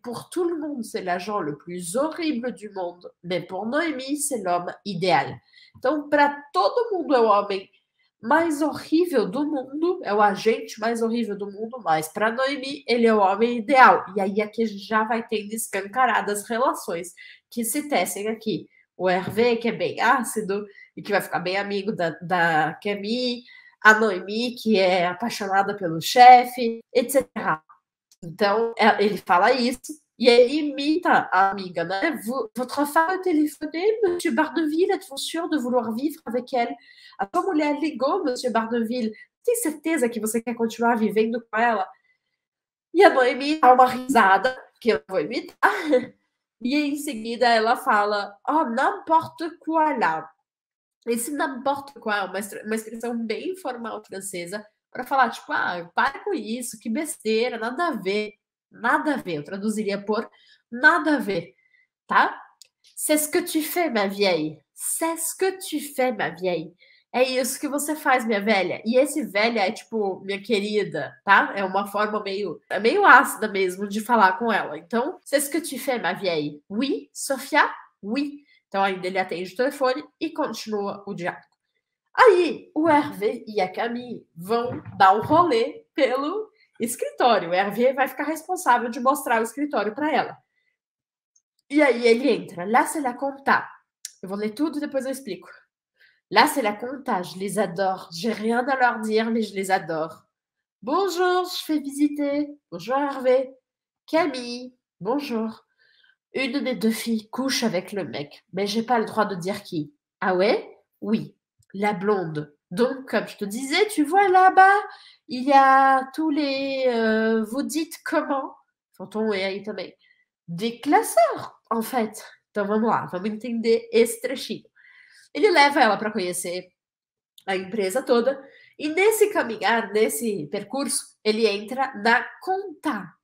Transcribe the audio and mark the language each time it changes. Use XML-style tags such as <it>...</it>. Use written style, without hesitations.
<fr>Pour tout le monde, c'est l'agent le plus horrible du monde. Mais pour Noémie, c'est l'homme idéal.</fr> <pt>Então, para todo mundo, é o homem mais horrível do mundo. É o agente mais horrível do mundo. Mas para Noémie, ele é o homem ideal. E aí aqui a gente já vai tendo escancaradas relações que se tecem aqui. O Hervé, que é bem ácido e que vai ficar bem amigo da Camille. A Noemi, que é apaixonada pelo chefe, etc. Então, ele fala isso e ele imita a amiga, né?</pt> <fr>Votre femme a téléphoné, monsieur Barneville, êtes-vous sûr de vouloir vivre avec elle?</fr> <pt>A sua mulher ligou, monsieur Barneville, tem certeza que você quer continuar vivendo com ela? E a Noemi dá uma risada, que eu vou imitar, e em seguida ela fala:</pt> <fr>Oh, n'importe quoi là.</fr> <pt>Esse n'importe quoi é uma expressão bem informal francesa para falar, tipo, ah, para com isso, que besteira, nada a ver. Nada a ver, eu traduziria por nada a ver, tá?</pt> <fr>C'est ce que tu fais, ma vieille. C'est ce que tu fais, ma vieille.</fr> <pt>É isso que você faz, minha velha. E esse velha é tipo, minha querida, tá? É uma forma meio ácida mesmo de falar com ela. Então,</pt> <fr>c'est ce que tu fais, ma vieille. Oui, Sofia? Oui.</fr> <pt>Então, ainda ele atende o telefone e continua o diálogo. Aí, o Hervé e a Camille vão dar um rolê pelo escritório. O Hervé vai ficar responsável de mostrar o escritório para ela. E aí, ele entra.</pt> <fr>Là, c'est la compta.</fr> <pt>Eu vou ler tudo e depois eu explico.</pt> <fr>Là, c'est la compta. Je les adore. J'ai rien à leur dire, mais je les adore. Bonjour, je fais visiter. Bonjour, Hervé. Camille, bonjour. Une de mes deux filles couche avec le mec, mais j'ai pas le droit de dire qui. Ah ouais? Oui, la blonde. Donc, comme je te disais, tu vois là-bas, il y a tous les. Vous dites comment? Fantôme et aïe também. Des classeurs, en fait.</fr> <pt>Então, vamos lá, vamos entender esse trechinho. Ele leva ela para conhecer a empresa toda, e nesse caminhar, nesse percurso, ele entra na conta.</pt>